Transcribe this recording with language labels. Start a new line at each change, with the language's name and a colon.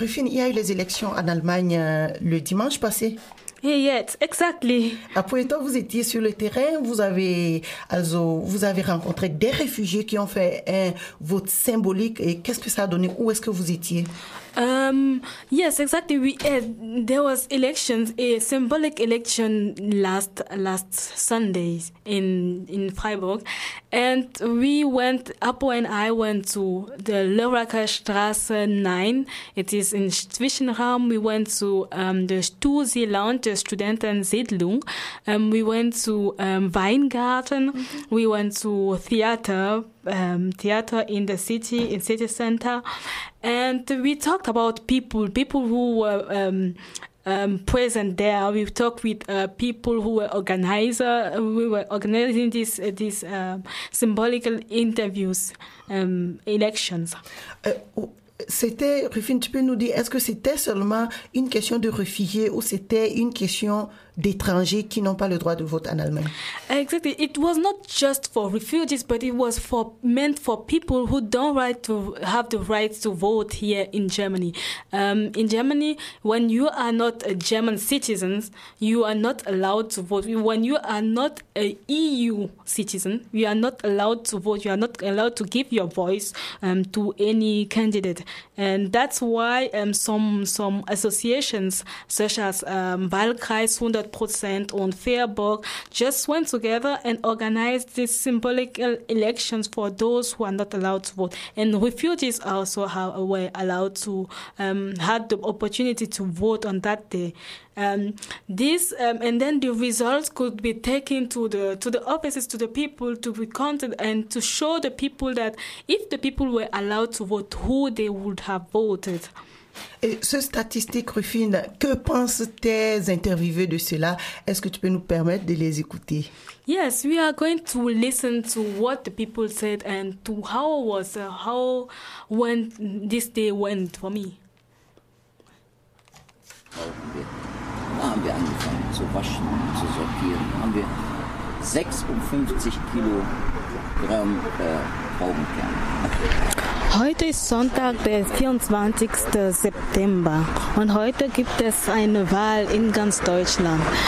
French: Il y a eu les élections en Allemagne le dimanche passé.
English: Yes, exactly.
French: Après toi, vous étiez sur le terrain, vous avez rencontré des réfugiés qui ont fait un vote symbolique. Et qu'est-ce que ça a donné? Où est-ce que vous étiez?
English: Yes, exactly. There was elections, a symbolic election last Sunday in Freiburg, and we went. Apo and I went to the Lörracher Straße 9. It is in Zwischenraum. We went to the Stusi Lounge, the Studentensiedlung. We went to Weingarten. Mm-hmm. We went to theater in the city, in city center. And we talked about people who were present there. We talked with people who were organizers. We were organizing these symbolic interviews, elections.
French: c'était, Rufine, tu peux nous dire, est-ce que c'était seulement une question de réfugiés ou c'était une question d'étrangers qui n'ont pas le droit de vote en Allemagne?
English: Exactly. It was not just for refugees, but it was for meant for people who don't right to have the right to vote here in Germany. In Germany, when you are not a German citizen, you are not allowed to vote. When you are not a EU citizen, you are not allowed to vote. You are not allowed to give your voice to any candidate. And that's why some associations, such as Wahlkreis 100% on Fairburg, just went together and organized these symbolic elections for those who are not allowed to vote. And refugees also were allowed to, had the opportunity to vote on that day. And then the results could be taken to the offices, to the people, to be counted and to show the people that if the people were allowed to vote, who they would have voted.
French: Et ce statistique, Rufine, que pensent tes interviewés de cela? Est-ce que tu peux nous permettre de les écouter?
English: Yes, we are going to listen to what the people said and to how was how went this day went for me.
German: Haben wir angefangen zu waschen und zu sortieren, haben wir 56 Kilogramm Traubenkern. Heute ist Sonntag, der 24. September und heute gibt es eine Wahl in ganz Deutschland.